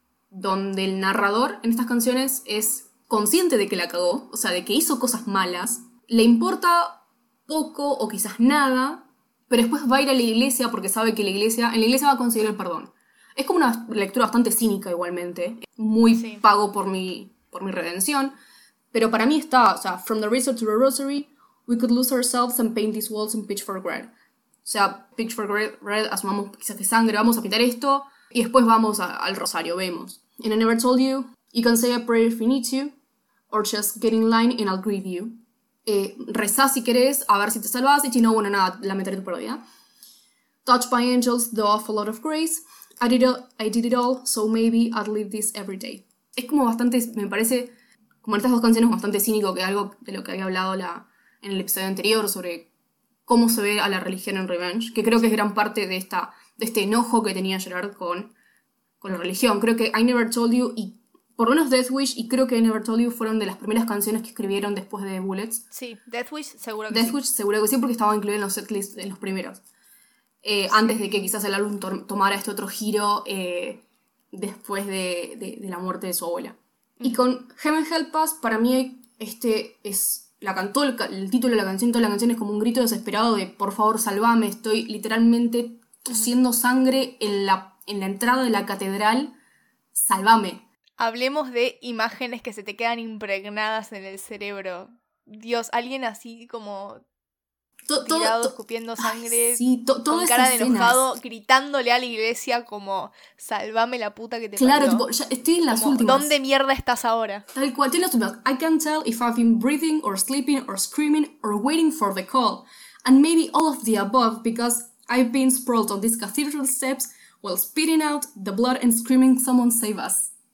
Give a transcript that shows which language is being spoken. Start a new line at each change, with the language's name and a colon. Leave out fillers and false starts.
Spanish: Donde el narrador en estas canciones es consciente de que la cagó, o sea, de que hizo cosas malas, le importa poco o quizás nada, pero después va a ir a la iglesia porque sabe que en la iglesia va a conseguir el perdón. Es como una lectura bastante cínica igualmente, muy sí. Pago por mi redención. Pero para mí está, o sea,
English: from the razor to the rosary, we could lose ourselves and paint these walls in pitchfork red.
Spanish: O sea, pitchfork red, asumamos quizás que sangre, vamos a pintar esto, y después vamos al rosario, vemos.
English: And I never told you, you can say a prayer if you need to, or just get in line and I'll greet you.
Spanish: Rezá si querés, a ver si te salvás, y si no, bueno, nada, lamentaré tu pérdida.
English: Touched by angels, the awful lot of grace, I did it all, so maybe I'd live this every day.
Spanish: Es como bastante, me parece... Bueno, estas dos canciones bastante cínico, que algo de lo que había hablado en el episodio anterior sobre cómo se ve a la religión en Revenge, que creo que es gran parte de este enojo que tenía Gerard con la religión. Creo que I Never Told You, y por lo menos Death Wish, y creo que I Never Told You fueron de las primeras canciones que escribieron después de Bullets. Sí, Death Wish seguro que Death sí. Death Wish seguro que sí, porque estaba incluido en los setlists de los primeros. Sí. Antes de que quizás el álbum tomara este otro giro después de la muerte de su abuela. Y con Heaven Help Us, para mí este es el título de la canción, toda la canción es como un grito desesperado de por favor salvame, estoy literalmente tosiendo sangre en la entrada de la catedral, salvame. Hablemos de imágenes que se te quedan impregnadas en el cerebro. Dios, alguien así como tirado, escupiendo sangre, con cara de enojado, gritándole a la iglesia como, salvame la puta que te parió. Claro, tipo, ya estoy en las últimas. ¿Dónde mierda estás ahora? Tal cual, estoy en las últimas.
English: I can't tell if I've been breathing, or sleeping, or screaming, or waiting for the call. And maybe all of the above, because I've been sprawled on these cathedral steps, while spitting out the blood and screaming, someone save us.